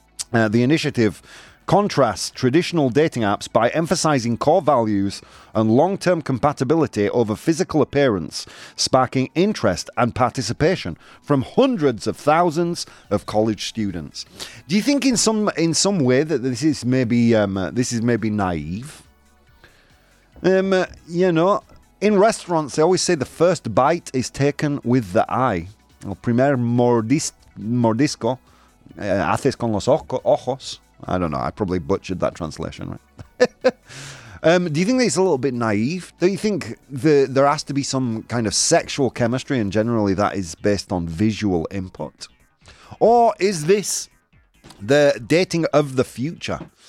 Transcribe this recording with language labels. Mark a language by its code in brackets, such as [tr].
[en] The initiative contrasts traditional dating apps by emphasizing core values and long-term compatibility over physical appearance, sparking interest and participation from hundreds of thousands of college students. Do you think in some way that this is maybe naive? You know, in restaurants, they always say the first bite is taken with the eye. [es] El primer mordisco haces con los ojos. [en] I don't know. I probably butchered that translation, right? Do you think that it's a little bit naive? Don't you think there has to be some kind of sexual chemistry, and generally that is based on visual input? Or is this the dating of the future?